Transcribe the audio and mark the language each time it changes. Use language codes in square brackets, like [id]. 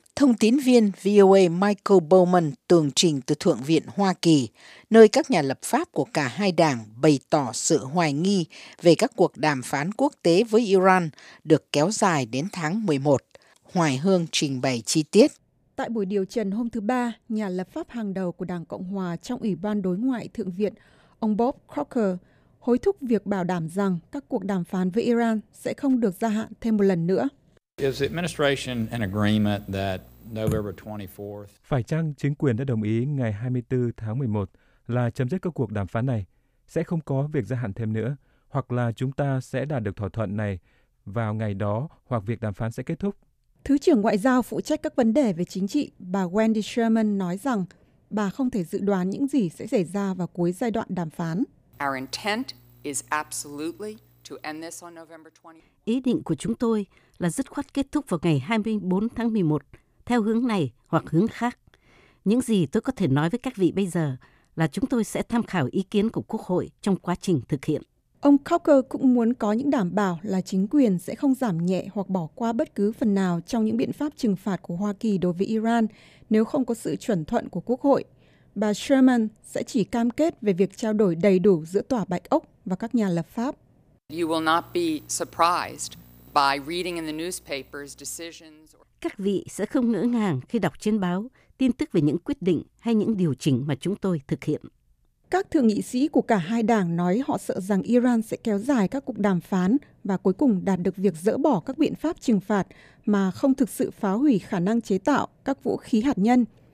[vi] Thông tín viên VOA Michael Bowman tường trình từ Thượng viện Hoa Kỳ, nơi các nhà lập pháp của cả hai đảng bày tỏ sự hoài nghi về các cuộc đàm phán quốc tế với Iran được kéo dài đến tháng 11. Hoài Hương trình bày chi tiết. Tại buổi điều trần hôm thứ Ba, nhà lập pháp hàng đầu của Đảng Cộng Hòa trong Ủy ban Đối ngoại Thượng viện, ông Bob Corker, hối thúc việc bảo đảm rằng các cuộc đàm phán với Iran sẽ không được gia hạn thêm một lần nữa. [en] Is the administration in agreement that November 24th? [vi] Phải chăng chính quyền đã đồng ý ngày 24 tháng 11 là chấm dứt các cuộc đàm phán này, sẽ không có việc gia hạn thêm nữa, hoặc là chúng ta sẽ đạt được thỏa thuận này vào ngày đó, hoặc việc đàm phán sẽ kết thúc? Thứ trưởng Ngoại giao phụ trách các vấn đề về chính trị, bà Wendy Sherman nói rằng bà không thể dự đoán những gì sẽ xảy ra vào cuối giai đoạn đàm phán. [en] Our intent is absolutely to end this on November 24th. [vi] Ý định của chúng tôi là dứt khoát kết thúc vào ngày 24 tháng 11, theo hướng này hoặc hướng khác. Những gì tôi có thể nói với các vị bây giờ là chúng tôi sẽ tham khảo ý kiến của Quốc hội trong quá trình thực hiện. Ông Corker cũng muốn có những đảm bảo là chính quyền sẽ không giảm nhẹ hoặc bỏ qua bất cứ phần nào trong những biện pháp trừng phạt của Hoa Kỳ đối với Iran nếu không có sự chuẩn thuận của Quốc hội. bà Sherman sẽ chỉ cam kết về việc trao đổi đầy đủ giữa Tòa Bạch Ốc và các nhà lập pháp. [en] You will not be surprised by reading in the newspapers decisions. [vi] Các vị sẽ không ngỡ ngàng khi đọc trên báo tin tức về những quyết định hay những điều chỉnh mà chúng tôi thực hiện. Các thượng nghị sĩ của cả hai đảng nói họ sợ rằng Iran sẽ kéo dài các cuộc đàm phán và cuối cùng đạt được việc dỡ bỏ các biện pháp trừng phạt mà không thực sự phá hủy khả năng chế tạo các vũ khí hạt nhân.